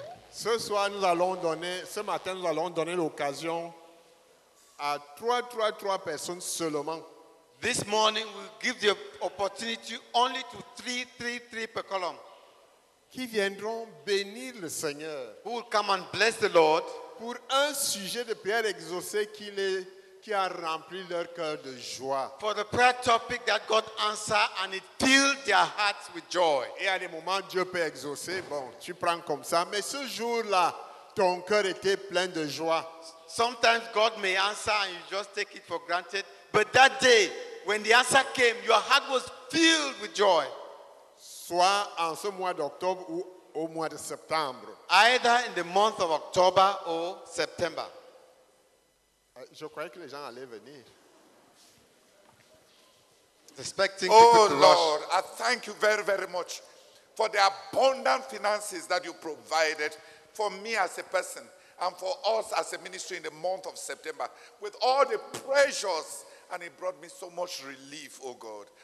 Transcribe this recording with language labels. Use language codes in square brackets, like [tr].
[fr] Ce matin, nous allons donner l'occasion à trois personnes seulement. [en] This morning, we give the opportunity only to three per column. [fr] Qui viendront bénir le Seigneur. [en] Who will come and bless the Lord. [fr] Pour un sujet de prière exaucé qui a rempli leur cœur de joie. [en] For the prayer topic that God answered and it filled their hearts with joy. [fr] Et à des moments, Dieu peut exaucer. Bon, tu prends comme ça. Mais ce jour-là, ton cœur était plein de joie. [en] Sometimes God may answer and you just take it for granted. But that day, when the answer came, your heart was filled with joy. [fr] Soit en ce mois d'octobre ou au mois de septembre. [en] Either in the month of October or September. [fr] Je croyais que les gens allaient venir. [en] Expecting oh people to Lord, rush. I thank you very, very much for the abundant finances that you provided for me as a person, and for us as a ministry in the month of September, with all the pressures, and it brought me so much relief, oh God.